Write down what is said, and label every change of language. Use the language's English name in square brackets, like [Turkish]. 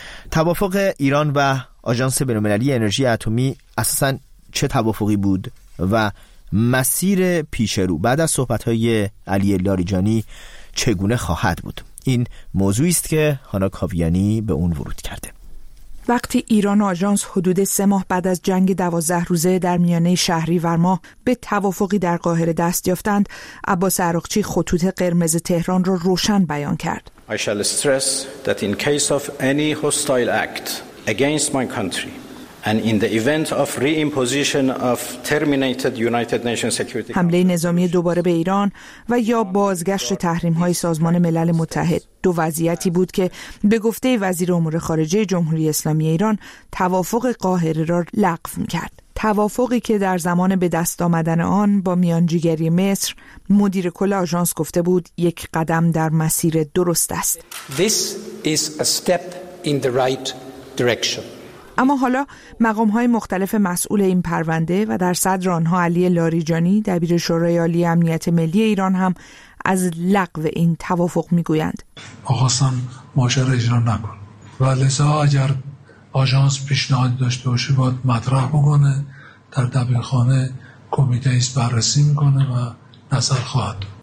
[Persian] توافق ایران و آژانس بین‌المللی انرژی اتمی اساساً چه توافقی بود و مسیر پیش رو بعد از صحبت‌های علی لاریجانی چگونه خواهد بود؟ این موضوعی است که هانا کاویانی به اون ورود کرده. وقتی ایران و آژانس حدود 3 ماه بعد از جنگ 12 روزه در میانه شهریور ماه به توافقی در قاهره دست یافتند، عباس عراقچی خطوط قرمز تهران را روشن بیان کرد. [English] I shall stress that in case of any hostile act against my country and in the event of reimposition of terminated United Nations Security [Persian] حمله نظامی دوباره به ایران و یا بازگشت تحریم‌های سازمان ملل متحد، دو وضعیتی بود که به گفته وزیر امور خارجه جمهوری اسلامی ایران توافق قاهره را لغو می‌کرد. توافقی که در زمان به دست آمدن آن با میانجیگری مصر مدیر کل آژانس گفته بود یک قدم در مسیر درست است. [English] This is a step in the right direction. [Persian] اما حالا مقام‌های مختلف مسئول این پرونده و در صدر آنها علی لاریجانی دبیر شورای عالی امنیت ملی ایران هم از لغو این توافق می‌گویند. خواستن ماشر اجرا نکن و لذا اگر آژانس پیشنهاد داشته باشه باید مطرح بکنه، در دبیرخانه کمیته ایست بررسی میکنه و نظر خواهد.